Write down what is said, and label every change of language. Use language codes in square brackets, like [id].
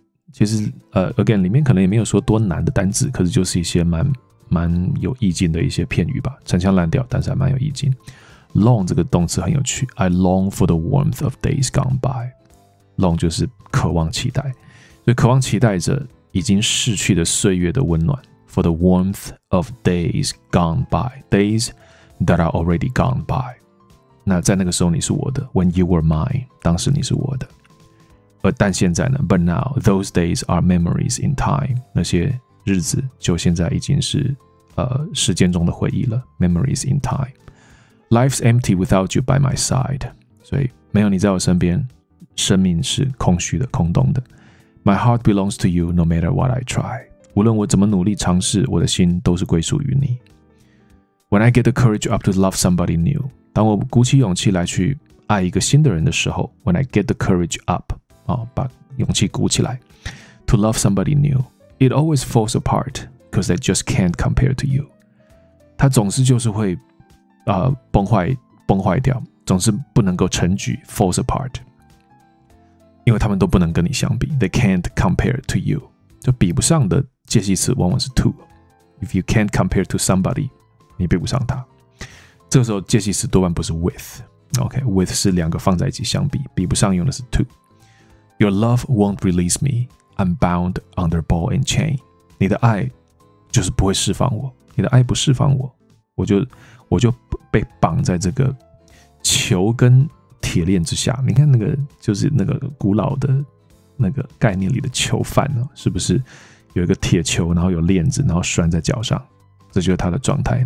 [zh] 其实again 里面可能也没有说多难的单字，可是就是一些蛮有意境的一些片语吧，陈腔滥调，但是还蛮有意境。 [en] Long [zh] 这个动词很有趣 [en] ，I long for the warmth of days gone by。 [zh] Long 就是渴望、期待，所以渴望、期待着已经逝去的岁月的温暖。 [en] For the warmth of days gone by, days that are already gone by. [zh] 那在那个时候你是我的 [en] When you were mine [zh] 当时你是我的但现在呢 [en] But now those days are memories in time [zh] 那些日子就现在已经是时间中的回忆了 [en] Memories in time Life's empty without you by my side [zh] 所以没有你在我身边生命是空虚的空洞的 [en] My heart belongs to you no matter what I try [zh] 无论我怎么努力尝试我的心都是归属于你 [en] When I get the courage up to love somebody new [zh] 当我鼓起勇气来去爱一个新的人的时候 [en] When I get the courage up、 [zh] 把勇气鼓起来 [en] To love somebody new It always falls apart Because they just can't compare to you [zh] 它总是就是会、崩坏崩坏掉，总是不能够成局 [en] falls apart， [zh] 因为他们都不能跟你相比 ， [en] they can't compare to you， [zh] 就比不上的介系词往往是 to。 [en] If you can't compare to somebody， [zh] 你比不上他。这个时候介系词多半不是 with， OK， with 是两个放在一起相比，比不上用的是 to。 [en] Your love won't release me， I'm bound under ball and chain。 [zh] 你的爱就是不会释放我，你的爱不释放我，我就被绑在这个球跟铁链之下。你看那个就是那个古老的那个概念里的囚犯，是不是有一个铁球，然后有链子，然后拴在脚上，这就是他的状态。